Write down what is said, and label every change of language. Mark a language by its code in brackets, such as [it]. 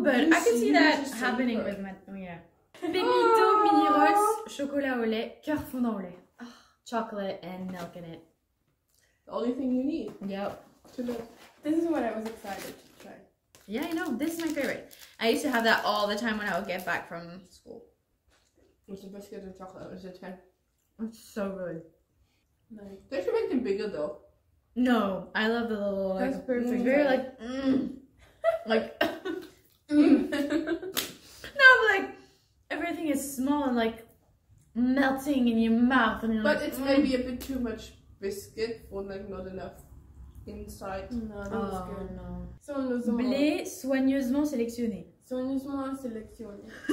[en] but you I can see that happening with my yeah. [fr] Pepito mini rots, chocolat au lait, cœur fondant au lait. [en] Oh, chocolate and milk in it. The only thing you need. Yep. This is what I was excited to try. Yeah, I know. This is my favorite. I used to have that all the time when I would get back from school. With the biscuit and chocolate, it was a 10. It's so good. Nice. They should make them bigger though. No, I love the little that's like perfect. It's very like like no, but like everything is small and like melting in your mouth and you're but like, it's maybe a bit too much biscuit or like not enough inside. No, that's oh, good. No. [fr] Soigneusement. Blé soigneusement sélectionné. Soigneusement sélectionné.